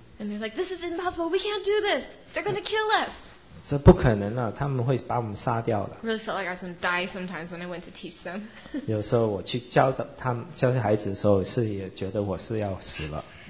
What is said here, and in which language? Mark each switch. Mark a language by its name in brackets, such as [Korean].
[English] And they're like, this is impossible, we can't do this. They're going to kill us. [Chinese] 这不可能了,他们会把我们杀掉了。 [English] Really felt like I was going to die sometimes when I went to teach them. [Chinese] 有时候我去教他们,教孩子的时候,是也觉得我是要死了。